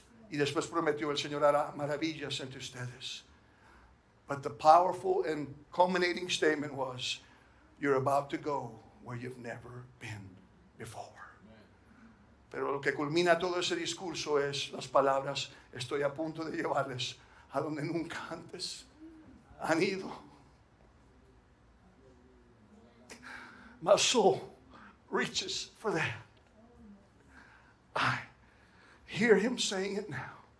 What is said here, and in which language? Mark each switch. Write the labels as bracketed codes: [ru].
[es] Y después prometió el Señor hará maravillas entre ustedes. [en] But the powerful and culminating statement was, you're about to go where you've never been before. [es] Pero lo que culmina todo ese discurso es las palabras, estoy a punto de llevarles a donde nunca antes han ido. [en] My soul reaches for that. I hear him saying it now.